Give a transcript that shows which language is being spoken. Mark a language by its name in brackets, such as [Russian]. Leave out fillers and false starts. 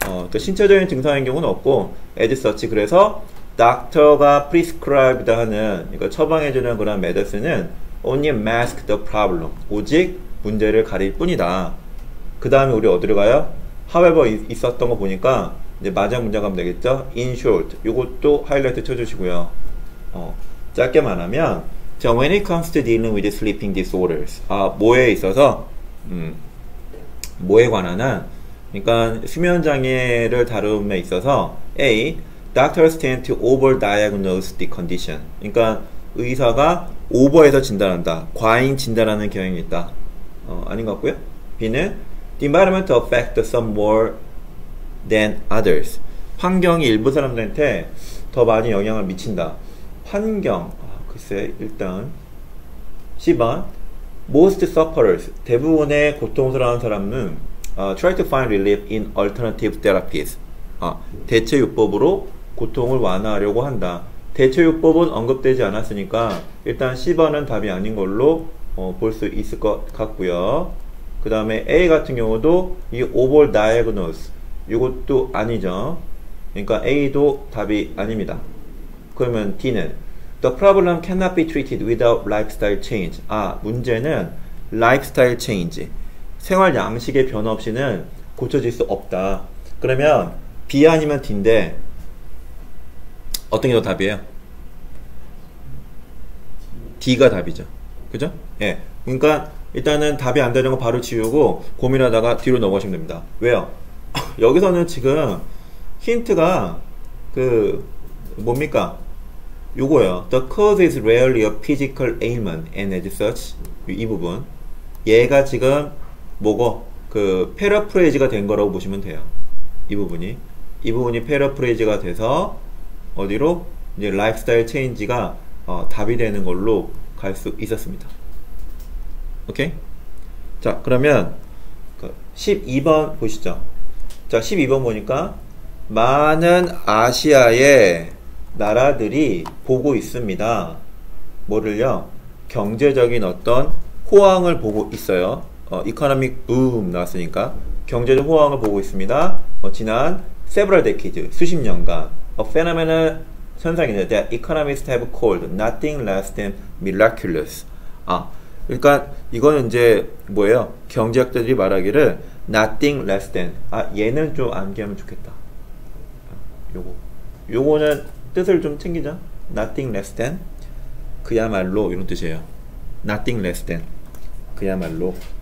[Korean] 또 신체적인 증상인 경우는 없고, as such. 그래서, 닥터가 prescribed 하는, 이거 처방해주는 그런 medicine은 [English] only mask the problem. [Korean] 오직 문제를 가릴 뿐이다. 그 다음에 우리 어디로 가요? [English] However, [Korean] 있었던 거 보니까, 이제 마지막 문장 가면 되겠죠? [English] In short. [Korean] 요것도 하이라이트 쳐주시고요. 짧게 말하면, [English] so when it comes to dealing with sleeping disorders. [Korean] 아, 뭐에 있어서? 뭐에 관한한? 그러니까, 수면 장애를 다룸에 있어서, A. [English] Doctors tend to overdiagnose the condition. [Korean] 그러니까 의사가 오버해서 진단한다. 과잉 진단하는 경향이 있다. 아닌 것 같고요. [English] B는 the environment affects some more than others. [Korean] 환경이 일부 사람들한테 더 많이 영향을 미친다. [English] 환경. 글쎄, 일단 10번 most sufferers, [Korean] 대부분의 고통스러운 사람은 [English] try to find relief in alternative therapies. [Korean] 대체 요법으로 고통을 완화하려고 한다. 대처요법은 언급되지 않았으니까 일단 10번은 답이 아닌 걸로 볼수 있을 것 같고요. 그 다음에 A 같은 경우도 이 over diagnose 이것도 아니죠. 그러니까 A도 답이 아닙니다. [English] 그러면 D는 The problem cannot be treated without lifestyle change. [Korean] 아, 문제는 [English] lifestyle change. [Korean] 생활 양식의 변화 없이는 고쳐질 수 없다. 그러면 B 아니면 D인데 어떤 게더 답이에요? D가 답이죠. 그죠? 예. 그러니까 일단은 답이 안 되는 거 바로 지우고 고민하다가 뒤로 넘어가시면 됩니다. 왜요? 여기서는 지금 힌트가 그 뭡니까? 요거예요. [English] The cause is rarely a physical ailment and as such [Korean] 이 부분. 얘가 지금 뭐고? 그 패러프레이즈가 된 거라고 보시면 돼요. 이 부분이. 이 부분이 패러프레이즈가 돼서 어디로? 이제 라이프스타일 체인지가 답이 되는 걸로 갈수 있었습니다. 오케이? 자, 그러면 그 12번 보시죠. 자, 12번 보니까 많은 아시아의 나라들이 보고 있습니다. 뭐를요? 경제적인 어떤 호황을 보고 있어요. 이코노믹 붐 나왔으니까 경제적 호황을 보고 있습니다. [English] 지난 several decades, [Korean] 수십 년간 [English] a phenomenon 현상인데 that economists have called nothing less than miraculous. [Korean] 아, 그러니까 이거는 이제 뭐예요? 경제학자들이 말하기를 [English] nothing less than. [Korean] 아, 얘는 좀 암기하면 좋겠다. 요거. 요거는 뜻을 좀 챙기자. [English] nothing less than. [Korean] 그야말로 이런 뜻이에요. [English] nothing less than. [Korean] 그야말로.